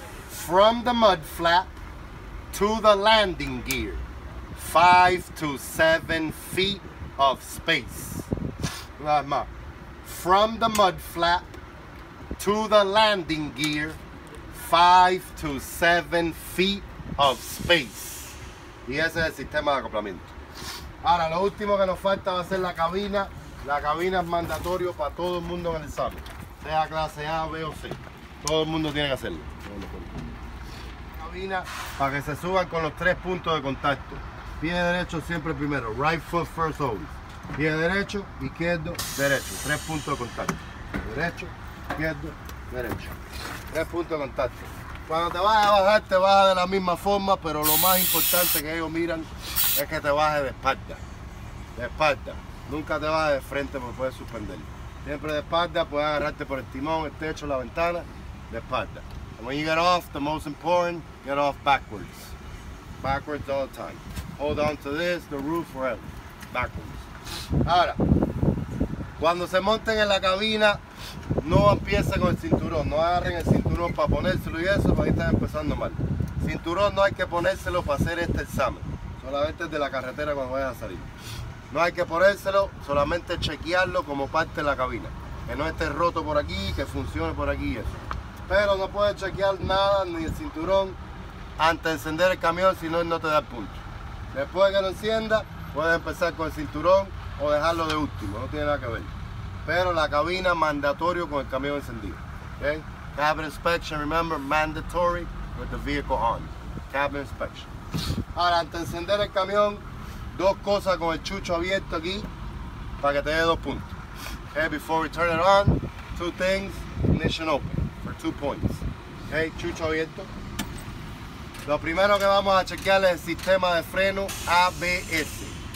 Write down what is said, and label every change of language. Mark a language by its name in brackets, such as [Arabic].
[English] From the mud flap, to the landing gear, 5 to 7 feet of space. [Spanish] Una vez más. [English] From the mud flap, to the landing gear, 5 to 7 feet of space. [Spanish] Y ese es el sistema de acoplamiento. Ahora, lo último que nos falta va a ser la cabina. La cabina es mandatorio para todo el mundo en el SAM. Sea clase A, B o C. Todo el mundo tiene que hacerlo. Cabina para que se suban con los tres puntos de contacto. Pie derecho siempre primero. [English] Right foot first always. [Spanish] Pie derecho, izquierdo, derecho. Tres puntos de contacto. Derecho, izquierdo, derecho. Tres puntos de contacto. Cuando te vas a bajar, te bajas de la misma forma, pero lo más importante que ellos miran es que te bajes de espalda. De espalda. Nunca te bajes de frente porque puedes suspenderlo. Siempre de espalda, puedes agarrarte por el timón, el techo, la ventana, de espalda. [English] And when you get off, the most important, get off backwards. Backwards all the time. Hold on to this, the roof, forever. Backwards. [Spanish] Ahora, cuando se monten en la cabina, no empiecen con el cinturón, no agarren el cinturón para ponérselo y eso, porque ahí están empezando mal. Cinturón no hay que ponérselo para hacer este examen, solamente desde la carretera cuando vayan a salir. No hay que ponérselo, solamente chequearlo como parte de la cabina. Que no esté roto por aquí, que funcione por aquí y eso. Pero no puedes chequear nada, ni el cinturón, antes de encender el camión, si no, no te da el punto. Después que lo encienda, puedes empezar con el cinturón o dejarlo de último, no tiene nada que ver. Pero la cabina mandatorio con el camión encendido. [English] Okay? Cabin inspection, remember, mandatory with the vehicle on. Cabin inspection. [Spanish] Ahora, antes de encender el camión, dos cosas con el chucho abierto aquí para que te dé dos puntos. [English] Okay, before we turn it on, two things, ignition open for 2 points. Okay, [Spanish] chucho abierto. Lo primero que vamos a chequear es el sistema de freno ABS.